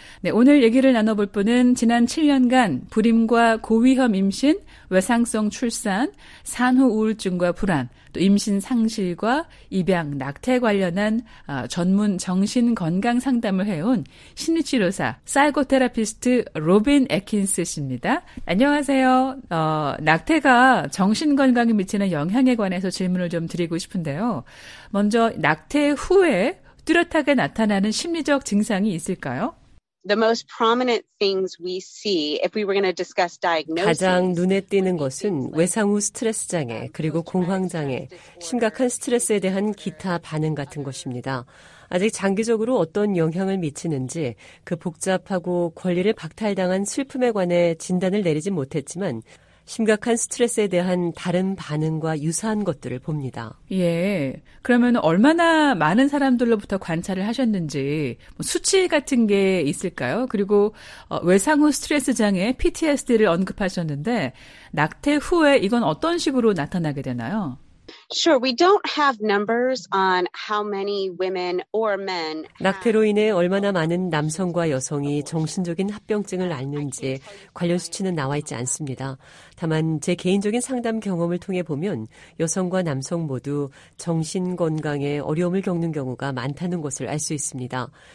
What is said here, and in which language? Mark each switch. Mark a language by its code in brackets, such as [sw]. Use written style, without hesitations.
[ko] 네, 오늘 얘기를 나눠볼 분은 지난 7년간 불임과 고위험 임신, 외상성 출산, 산후 우울증과 불안, 또 임신 상실과 입양, 낙태 관련한 전문 정신건강 상담을 해온 심리치료사, 사이코테라피스트 로빈 애킨스 씨입니다. 안녕하세요. 낙태가 정신건강에 미치는 영향에 관해서 질문을 좀 드리고 싶은데요. 먼저 낙태 후에 뚜렷하게 나타나는 심리적 증상이 있을까요? [en] The most prominent things we see if we were going to discuss diagnosis. [ko] 가장 눈에 띄는 것은 외상 후 스트레스 장애 그리고 공황 장애, 심각한 스트레스에 대한 기타 반응 같은 것입니다. 아직 장기적으로 어떤 영향을 미치는지 그 복잡하고 권리를 박탈당한 슬픔에 관해 진단을 내리진 못했지만 심각한 스트레스에 대한 다른 반응과 유사한 것들을 봅니다. 예, 그러면 얼마나 많은 사람들로부터 관찰을 하셨는지 수치 같은 게 있을까요? 그리고 외상 후 스트레스 장애 PTSD를 언급하셨는데 낙태 후에 이건 어떤 식으로 나타나게 되나요? [en] Sure, we don't have numbers on how many women or men. [ko] 낙태로 인해 얼마나 많은 남성과 여성이 정신적인 합병증을 앓는지 관련 수치는 나와 있지 않습니다. 다만 제 개인적인 상담 경험을 통해 보면 여성과 남성 모두 정신 건강에 어려움을 겪는 경우가 많다는 것을 알 수 있습니다.